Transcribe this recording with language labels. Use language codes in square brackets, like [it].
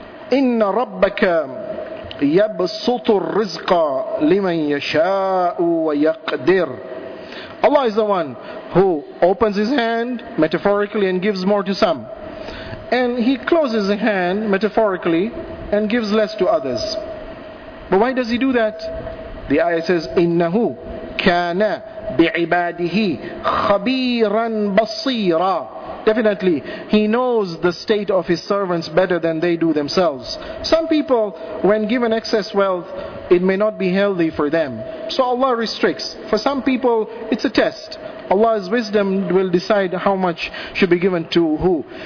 [ar] إِنَّ رَبَّكَ يَبْسُطُ الرِّزْقَ لِمَنْ يَشَاءُ وَيَقْدِرُ. [en] Allah is the one who opens His hand metaphorically and gives more to some. And He closes His hand metaphorically and gives less to others. But why does He do that? The ayah says, [ar] إِنَّهُ كَانَ بِعِبَادِهِ خَبِيرًا بَصِيرًا. [en] Definitely, He knows the state of His servants better than they do themselves. Some people, when given excess wealth, it may not be healthy for them. So Allah restricts. For some people, it's a test. Allah's wisdom will decide how much should be given to who.